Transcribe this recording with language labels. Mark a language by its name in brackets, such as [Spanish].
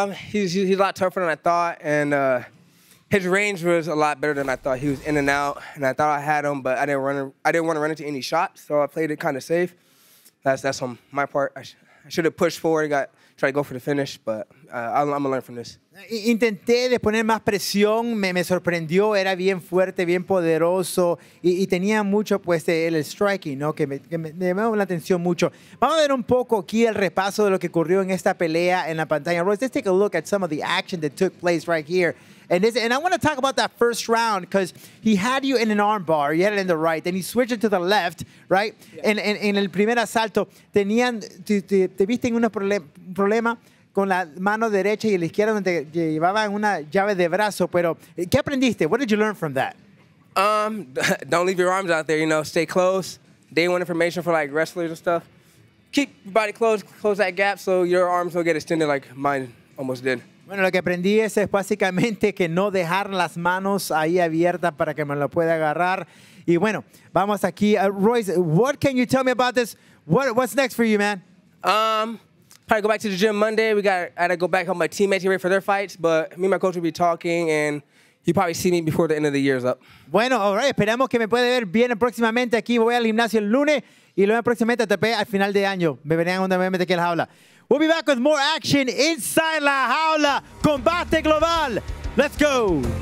[English] He's a lot tougher than I thought, and his range was a lot better than I thought. He was in and out, and I thought I had him, but I didn't want to run into any shots, so I played it kind of safe. That's on my part. I should have pushed forward, tried to go for the finish, but I'm going to learn from this. [Spanish] Intenté de poner más presión, me sorprendió, era bien fuerte, bien poderoso, y tenía mucho, pues, el striking, ¿no? que me llamó la atención mucho. Vamos a ver un poco aquí el repaso de lo que ocurrió en esta pelea en la pantalla. [English] Royce, let's take a look at some of the action that took place right here. And I want to talk about that first round because he had you in an arm bar. You had it in the right. Then he switched it to the left, right? Yeah. [Spanish] En el primer asalto, te viste en un problema con la mano derecha y la izquierda donde te llevaban una llave de brazo. Pero, ¿qué aprendiste? [English] What did you learn from that? Don't leave your arms out there, you know. Stay close. Day one information for, like, wrestlers and stuff. Keep your body close. Close that gap so your arms don't get extended like mine almost did. [Spanish] Bueno, lo que aprendí es básicamente que no dejar las manos ahí abiertas para que me lo pueda agarrar. Y bueno, vamos aquí. [English] Royce, what can you tell me about this? What's next for you, man? Probably go back to the gym Monday. I gotta go back home. My teammates get ready for their fights, but me and my coach will be talking, and you probably see me before the end of the year's up. Bueno, all right. [Spanish] Esperamos que me pueda ver bien próximamente aquí. Voy al gimnasio el lunes y luego próximamente te veo al final de año. Me verán donde me mete aquí en la jaula. [English] We'll be back with more action inside La Jaula. Combate Global. Let's go.